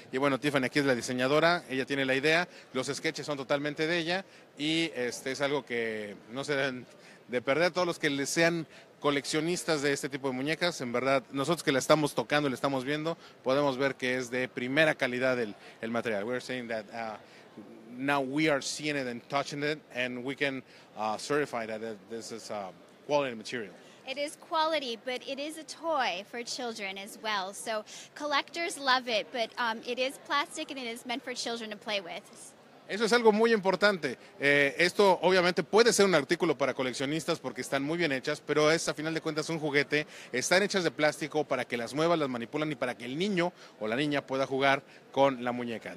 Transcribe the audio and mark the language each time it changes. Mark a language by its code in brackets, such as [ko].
[es] Y bueno, Tiffany aquí es la diseñadora, ella tiene la idea. Los sketches son totalmente de ella y es algo que no se deben de perder. Todos los que les sean coleccionistas de este tipo de muñecas, en verdad, nosotros que la estamos tocando y la estamos viendo, podemos ver que es de primera calidad el material. [en] We're saying that... Now we are seeing it and touching it, and we can certify that this is quality material. It is quality, but it is a toy for children as well. So collectors love it, but it is plastic and it is meant for children to play with. [es] Eso es algo muy importante. Esto obviamente puede ser un artículo para coleccionistas porque están muy bien hechas, pero es a final de cuentas un juguete. Están hechas de plástico para que las muevan, las manipulan y para que el niño o la niña pueda jugar con la muñeca.